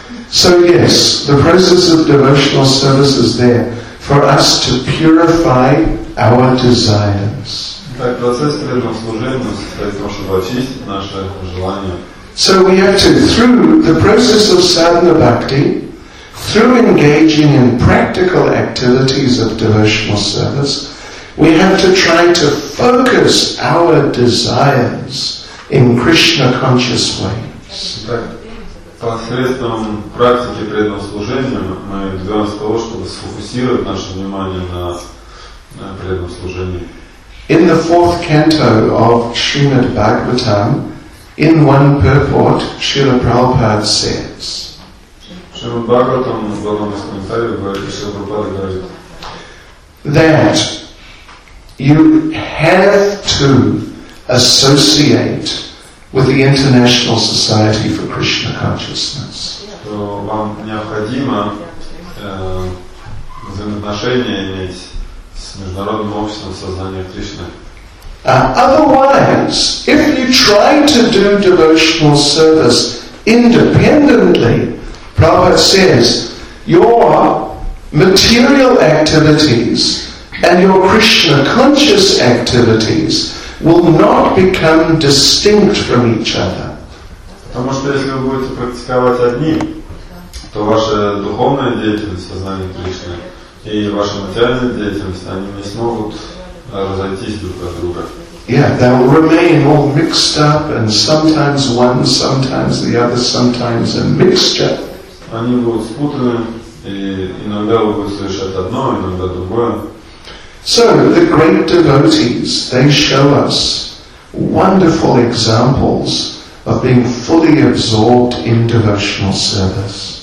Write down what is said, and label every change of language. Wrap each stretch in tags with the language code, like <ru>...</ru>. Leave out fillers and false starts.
<en>So yes, the process of devotional service is there for us to purify our desires.</en> <ru>Так, процесс преданного служения состоит в том, чтобы очистить наши желания.</ru> <en>So we have to, through the process of sadhana bhakti, through engaging in practical activities of devotional service, we have to try to focus our desires in Krishna conscious ways.</en> <ru>Так, посредством практики преданного служения мы добиваемся того, чтобы сфокусировать наше внимание на преданном служении.</ru> <en>In the fourth canto of Srimad Bhagavatam, in one purport, Srila Prabhupada says,</en> <ru>Srimad Bhagavatam, в одном из комментариев, говорит, Srila Prabhupada говорит,</ru> <en>that you have to associate with the International Society for Krishna Consciousness.</en> <ru>То вам необходимо взаимоотношения иметь с международным обществом сознания Кришны.</ru> <en>Otherwise, if you try to do devotional service independently, Prabhupada says, your material activities and your Krishna conscious activities will not become distinct from each other.</en> <ru>Потому что если вы будете практиковать одни, то ваша духовная деятельность сознания Кришны и ваша материальная деятельность, они не смогут разойтись друг от друга.</ru> <en>Yeah, they will remain all mixed up, and sometimes one, sometimes the other, sometimes a mixture.</en> <ru>Они будут спутаны, и иногда вы будете совершать одно, иногда другое.</ru> <en>So, the great devotees, they show us wonderful examples of being fully absorbed in devotional service.</en>